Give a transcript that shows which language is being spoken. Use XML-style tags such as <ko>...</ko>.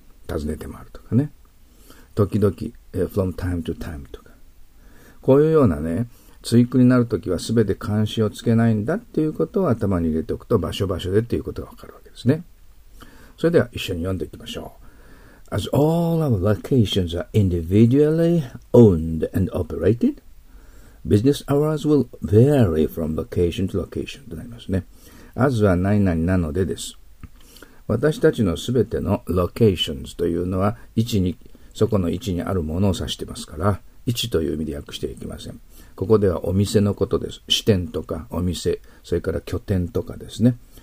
<ja>訪ねて回るとかね。時々、</ja> <en>from time to time</en> <ja>とか。こういうようなね、対句になるときはすべて冠詞をつけないんだっていうことを頭に入れておくと場所場所でっていうことがわかるわけですね。それでは一緒に読んでいきましょう。</ja> <en>As all our locations are individually owned and operated, business hours will vary from location to location</en> <ja>となりますね。 As は何々なのでです。私たちのすべての locations というのは位置に、そこの位置にあるものを指してますから、位置という意味で訳していきません。ここではお店のことです。支店とかお店、それから拠点とかですね。</ja>